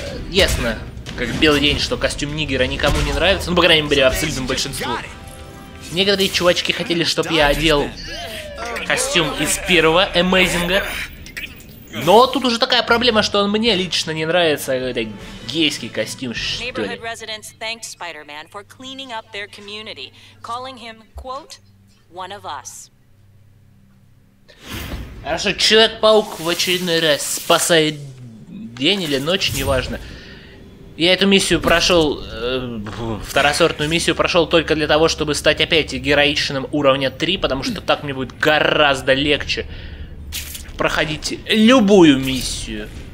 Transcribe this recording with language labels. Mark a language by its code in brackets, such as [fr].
[ru] Ясно, как белый день, что костюм Нигера никому не нравится. Ну, по крайней мере, абсолютному большинству. Некоторые чувачки хотели, чтобы я одел костюм из первого Amazing'а. Но тут уже такая проблема, что он мне лично не нравится, это гейский костюм, что ли. [en] Residents thanked Spider-Man for cleaning up their community, calling him, quote, one of us. [ru] Хорошо, Человек-паук в очередной раз спасает день или ночь, неважно. Я эту миссию прошел, второсортную миссию прошел только для того, чтобы стать опять героичным уровня 3, потому что так мне будет гораздо легче проходить любую миссию.